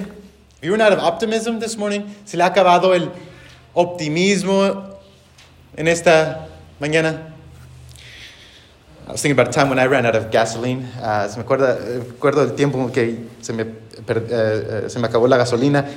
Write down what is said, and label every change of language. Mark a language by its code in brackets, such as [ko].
[en] Have you run out of optimism this morning? [es] ¿Se le ha acabado el optimismo en esta mañana? [en] I was thinking about a time when I ran out of gasoline. [es] Se me acuerdo el tiempo que se me acabó la gasolina.